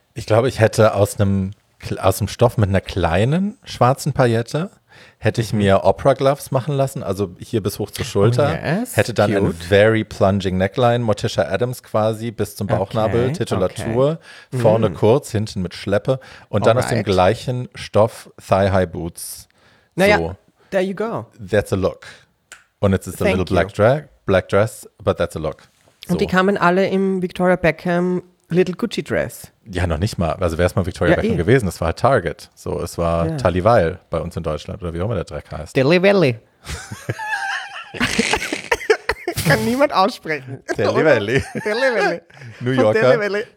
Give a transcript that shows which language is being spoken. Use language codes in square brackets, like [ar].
[de] Ich glaube, ich hätte aus einem Stoff mit einer kleinen schwarzen Paillette, hätte ich mir Opera Gloves machen lassen, also hier bis hoch zur Schulter. [en] Oh yes, [de] hätte dann ein [en] very plunging Neckline, [de] Morticia Adams quasi, bis zum Bauchnabel, Titulatur. Okay. Vorne kurz, hinten mit Schleppe. Und dann aus dem gleichen Stoff Thigh-High Boots. [en] Naja, so. There you go. That's a look. Und it's a little black dress, but that's a look. [de] So. Und die kamen alle im Victoria Beckham Little Gucci Dress. Ja, noch nicht mal. Also wäre es mal Victoria Beckham gewesen. Das war halt Target. So, es war Tally Weil bei uns in Deutschland oder wie auch immer der Dreck heißt. Dilly Valley. Kann niemand aussprechen. Dilly Valley. Dilly Valley. New Yorker. Dilly Valley.